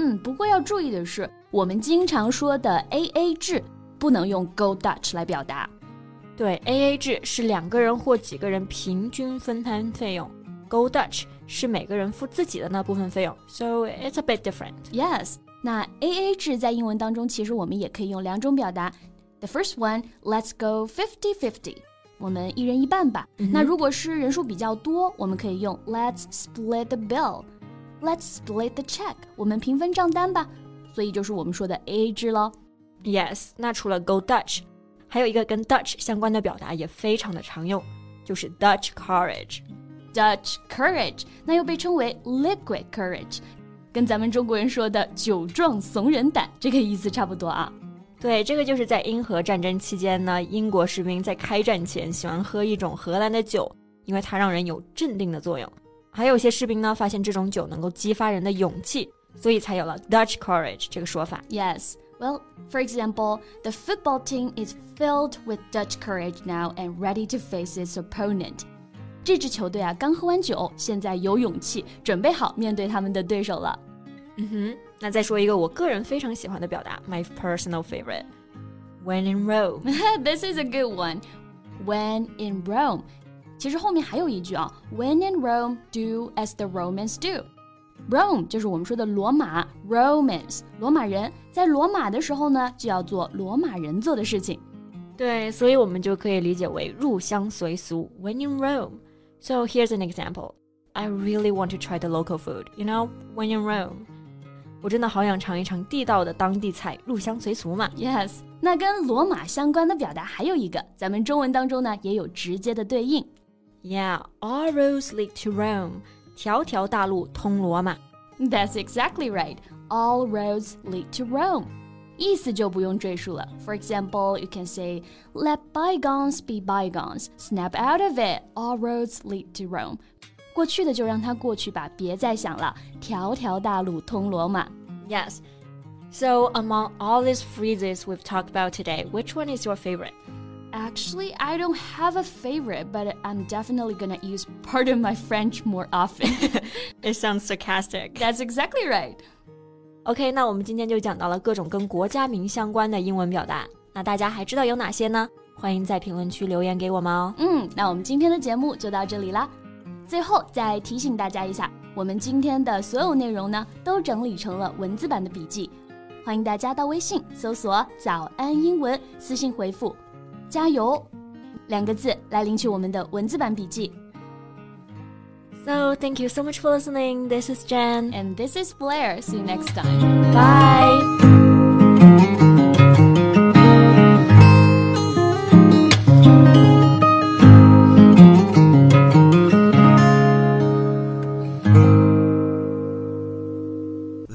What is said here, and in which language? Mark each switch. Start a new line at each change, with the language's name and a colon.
Chinese: 不过要注意的是，我们经常说的 AA 制不能用 Go Dutch 来表达。对， AA 制是两个人或几个人平均分摊费用， Go Dutch 是每个人付自己的那部分费用，
English: So it's a bit different.
Chinese: Yes, 那 AA 制在英文当中其实我们也可以用两种表达。
English: The first one, let's go 50-50,
Chinese: 我们一人一半吧。那如果是人数比较多，我们可以用
English: let's split the bill, let's split the check,
Chinese: 我们平分账单吧。所以就是我们说的 AA 制咯。 Yes, 那除了 go Dutch, 还有一个跟 Dutch 相关的表达也非常的常用，就是 Dutch courage。 Dutch courage, 那又被称为 liquid courage, 跟咱们中国人说的酒壮怂人胆这个意思差不多啊。对，这个就是在英荷战争期间呢，英国士兵在开战前喜欢喝一种荷兰的酒，因为它让人有镇定的作用。还有些士兵呢，发现这种酒能够激发人的勇气，所以才有了 Dutch courage 这个说法。
English: Yes, well, for example, the football team is filled with Dutch courage now and ready to face its opponent.
Chinese: 这支球队啊，刚喝完酒，现在有勇气，准备好面对他们的对手了。嗯哼，那再说一个我个人非常喜欢的表达，
English: My personal favorite, When in Rome. This is a good one. When in Rome.
Chinese: 其实后面还有一句啊，
English: When in Rome, do as the Romans do.
Chinese: Rome 就是我们说的罗马， Romans, 罗马人，在罗马的时候呢，就要做罗马人做的事情。对，所以我们就可以理解为入乡随俗，
English: When in Rome. So here's an example. I really want to try the local food, you know, when in Rome.
Chinese: 我真的好想尝一尝地道的当地菜，入乡随俗嘛。 Yes, 那跟罗马相关的表达还有一个，咱们中文当中呢也有直接的对应。
English: Yeah, all roads lead to Rome,
Chinese: 条条大路通罗马。
English: That's exactly right, all roads lead to Rome.
Chinese: 意思就不用赘述了。
English: For example, you can say, let bygones be bygones, snap out of it, all roads lead to Rome.
Chinese: 过去的就让它过去吧，别再想了，条条大路通罗马。
English: Yes, so among all these phrases we've talked about today, which one is your favorite? Actually, I don't have a favorite, but I'm definitely gonna use pardon my French more often. It sounds sarcastic. That's exactly right.
Chinese: OK, 那我们今天就讲到了各种跟国家名相关的英文表达，那大家还知道有哪些呢？欢迎在评论区留言给我们哦。那我们今天的节目就到这里啦。最后再提醒大家一下，我们今天的所有内容呢都整理成了文字版的笔记，欢迎大家到微信搜索早安英文，私信回复加油两个字来领取我们的文字版笔记。
English: So thank you so much for listening. This is Jen. And this is Blair. See you next time. Bye.